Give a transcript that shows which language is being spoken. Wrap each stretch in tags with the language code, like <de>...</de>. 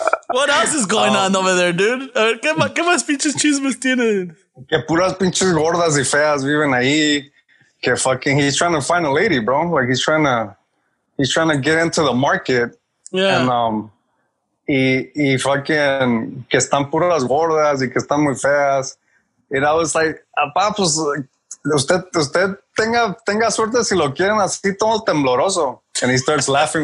<en>What else is going on over there, dude?</en> <es>¿Qué más pinches chismes tienen? Que puras pinches gordas y feas viven ahí.</es> <en>Que fucking, he's trying to find a lady, bro. Like he's trying to get into the market. Yeah.</en> <es>And y fucking que están puras gordas y que están muy feas.</es> <en>And I was like,</en> <es>apá, pues usted tenga suerte si lo quieren así todo tembloroso.</es> <en>And he starts laughing.</en>